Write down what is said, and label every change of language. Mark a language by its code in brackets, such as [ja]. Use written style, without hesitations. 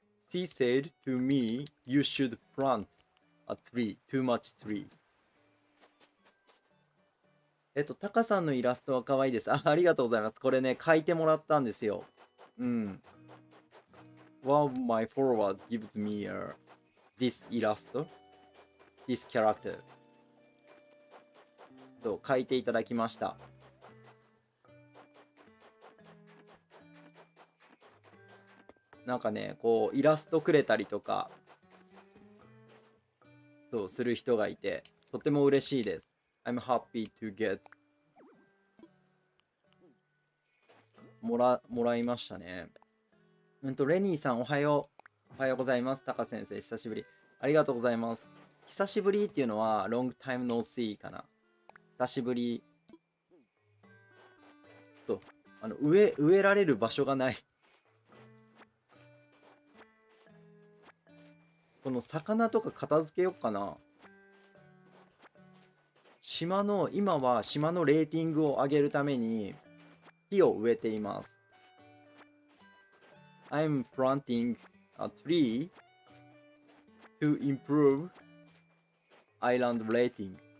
[en] She said to me, you should plant a tree, too much tree. [ja] タカさんのイラストは可愛いです。ありがとうございます。これね、書いてもらったんですよ。 [en] One of my followers gives me this illust, this character. [ja] と書いていただきました。なんかね、こうイラストくれたりとか、そうする人がいて、とても嬉しいです。 [en] I'm happy to get [ja] もらいましたね。レニーさん、おはよう。おはようございます。高先生、久しぶり。ありがとうございます。久しぶりっていうのは、 [en] long time no see [ja] かな。久しぶり。と、植えられる場所がない。この魚とか片付けようかな。島の、今は島のレーティングを上げるために木を植えています。 [en] I'm planting a tree to improve island rating.